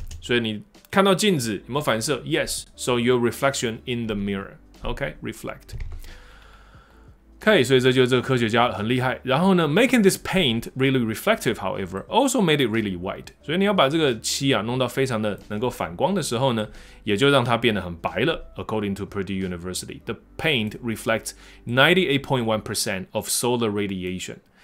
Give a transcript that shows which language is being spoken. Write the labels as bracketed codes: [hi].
[zh] 所以你看到镜子有没有反射 ？ [en] Yes. So your reflection in the mirror. OK, reflect. [zh] OK, 所以这就是这个科学家很厉害。然后呢 [en] ，making this paint really reflective, however, also made it really white. [zh] 所以你要把这个漆啊弄到非常的能够反光的时候呢，也就让它变得很白了。 [en] According to Purdue University, the paint reflects 98.1% of solar radiation.